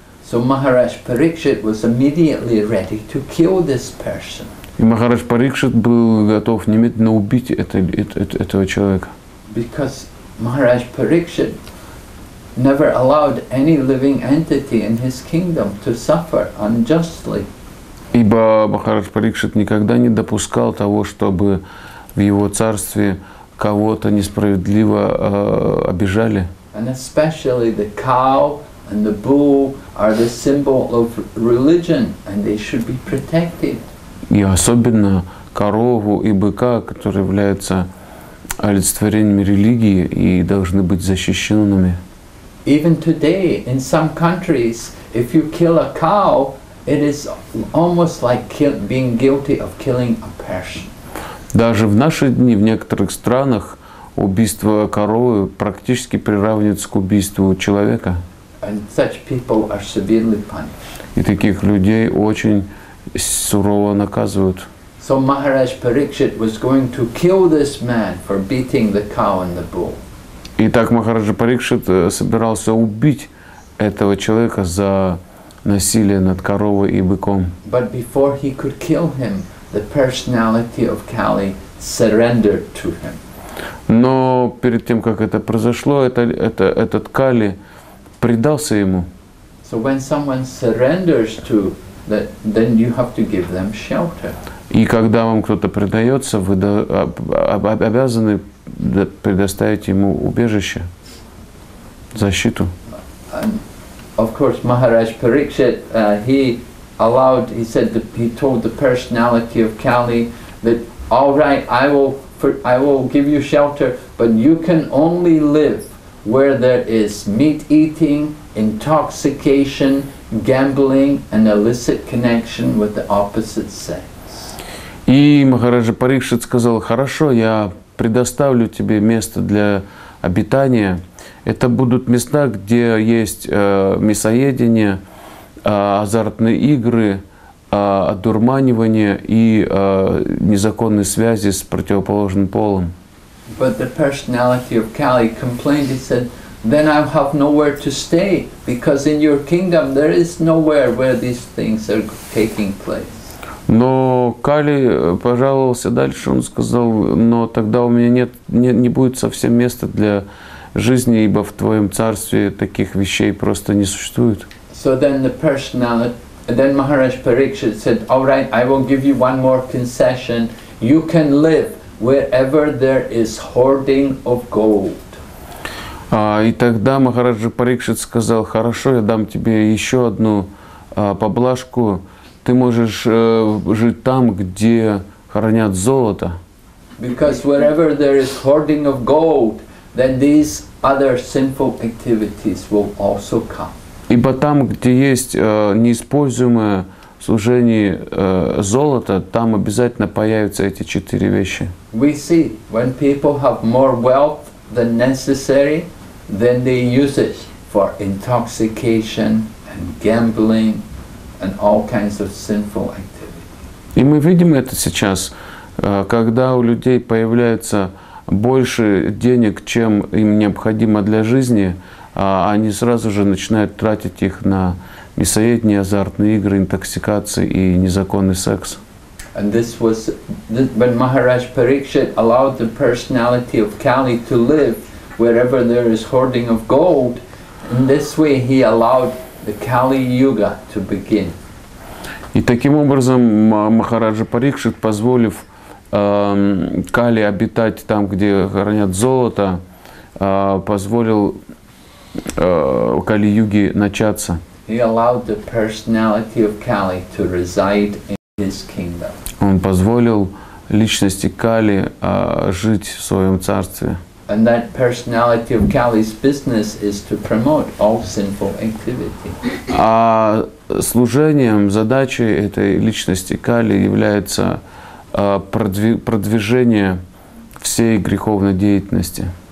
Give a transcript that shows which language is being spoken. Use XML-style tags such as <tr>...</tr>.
<en>So Maharaj Parikshit was immediately ready to kill this person.</en> <ru>И Махарадж Парикшит был готов немедленно убить этого человека.</ru> <en>Because Maharaj Parikshit never allowed any living entity in his kingdom to suffer unjustly.</en> <ru>Ибо Махарадж Парикшит никогда не допускал того, чтобы в его царстве кого-то несправедливо обижали.</ru> <en>And especially the cow and the bull are the symbol of religion and they should be protected.</en> <ru>И особенно корову и быка, которые являются олицетворениями религии и должны быть защищенными.</ru> <en>Even today, in some countries, if you kill a cow, it is almost like being guilty of killing a person.</en> <ru>Даже в наши дни в некоторых странах убийство коровы практически приравнивается к убийству человека.</ru> <en>And such people are severely punished.</en> <ru>И таких людей очень сурово наказывают.</ru> <en>So Maharaj Parikshit was going to kill this man for beating the cow and the bull.</en> <ru>Итак, Махараджа Парикшит собирался убить этого человека за насилие над коровой и быком.</ru> <en>But before he could kill him, the personality of Kali surrendered to him.</en> <ru>Но перед тем, как это произошло, этот Кали предался ему.</ru> <en>So when someone surrenders to that, then you have to give them shelter.</en> <ru>И когда вам кто-то предается, вы обязаны предоставить ему убежище, защиту.</ru> <en>And of course, Maharaj Parikshit, he told the personality of Kali that, all right, I will give you shelter, but you can only live where there is meat eating, intoxication, gambling and illicit connection with the opposite sex.</en> <ru>И Махараджа Парикшит сказал: "Хорошо, я предоставлю тебе место для обитания. Это будут места, где есть мясоедение, азартные игры, одурманивание и незаконные связи с противоположным полом."</ru> <en>But the personality of Kali complained. He said, then I have nowhere to stay, because in your kingdom there is nowhere where these things are taking place.</en> <ru>Но Кали пожаловался дальше, он сказал, но тогда у меня не будет совсем места для жизни, ибо в твоем царстве таких вещей просто не существует.</ru> <en>So then the personality, then Maharaj Parikshit said, all right, I will give you one more concession. You can live wherever there is hoarding of gold.</en> <ru>И тогда Махараджа Парикшит сказал: "Хорошо, я дам тебе еще одну поблажку. Ты можешь жить там, где хранят золото."</ru> <en>Because wherever there is hoarding of gold, then these other sinful activities will also come.</en> <ru>Ибо там, где есть неиспользуемое служение золота, там обязательно появятся эти четыре вещи.</ru> <en>We see when people have more wealth than necessary, then they use it for intoxication and gambling and all kinds of sinful activity.</en> <ru>И мы видим это сейчас, когда у людей появляется больше денег, чем им необходимо для жизни, они сразу же начинают тратить их на мясоедение, азартные игры, интоксикации и незаконный секс.</ru> <en>And this was when Maharaj Parikshit allowed the personality of Kali to live wherever there is hoarding of gold. In this way he allowed the Kali Yuga to begin.</en> <ru>И таким образом Махараджа Парикшит, позволив Кали обитать там, где хранят золото, позволил Кали-Юге начаться.</ru> <en>He allowed the personality of Kali to reside in his kingdom.</en> <ru>Он позволил личности Кали жить в своем царстве.</ru> <en>And that personality of Kali's business is to promote all sinful activity.</en> <ru>А служением, задачей этой личности Кали является продвижение всей греховной деятельности.</ru>